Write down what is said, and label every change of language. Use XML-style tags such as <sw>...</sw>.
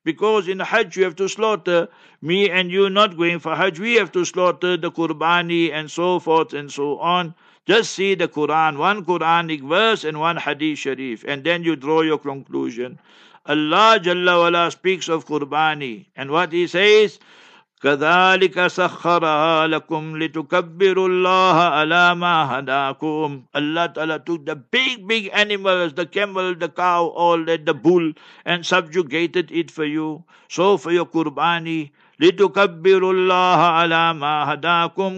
<en>Because in Hajj you have to slaughter, me and you not going for Hajj, we have to slaughter the Qurbani and so forth and so on. Just see the Quran, one Quranic verse and one Hadith Sharif, and then you draw your conclusion. Allah Jalla Wala speaks of Qurbani, and what he says,</en> <ar>كذلك سخرها لكم لتكبروا الله على ما هداكم.</ar> <en>Allah Ta'ala took the big animals, the camel, the cow, all that, the bull, and subjugated it for you. So for your qurbani,</en> <ar>لتكبروا الله على ما هداكم.</ar>